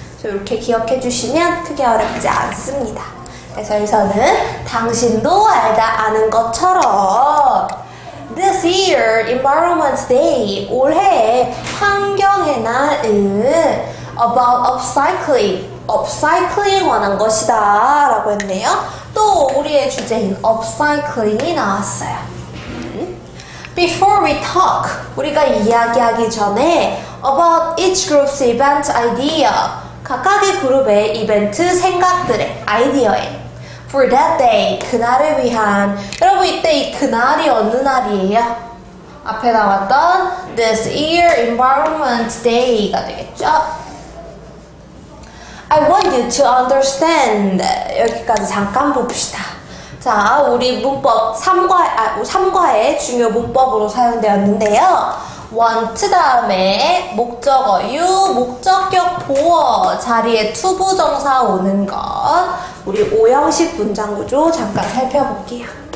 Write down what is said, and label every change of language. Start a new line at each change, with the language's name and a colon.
Korean: 이렇게 기억해 주시면 크게 어렵지 않습니다. 그래서 여기서는 당신도 알다 아는 것처럼
English: This year, Environment Day
Korean: 올해 환경의 날은
English: about upcycling
Korean: 관한 것이다 라고 했네요. 또 우리의 주제인 upcycling이 나왔어요.
English: Before we talk,
Korean: 우리가 이야기하기 전에
English: about each group's event idea
Korean: 각각의 그룹의 이벤트 생각들의 아이디어에
English: For that day,
Korean: 그날을 위한. 여러분, 이때 이 그날이 어느 날이에요? 앞에 나왔던
English: This Year Environment Day
Korean: 가 되겠죠?
English: I want you to understand.
Korean: 여기까지 잠깐 봅시다. 자, 우리 문법 3과의 중요 문법으로 사용되었는데요. want 다음에 목적어 you 목적격 보어 자리에 투부 정사 오는 것 우리 5형식 문장 구조 잠깐 살펴볼게요.